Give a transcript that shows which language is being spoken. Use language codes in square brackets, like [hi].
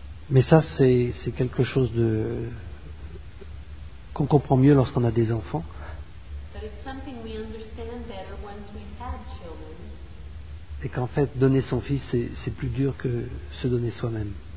[fr] Mais ça, c'est quelque chose de qu'on comprend mieux lorsqu'on a des enfants. [en] But it's something we understand better once we've had children. [fr] Et qu'en fait, donner son fils, c'est plus dur que se donner soi-même.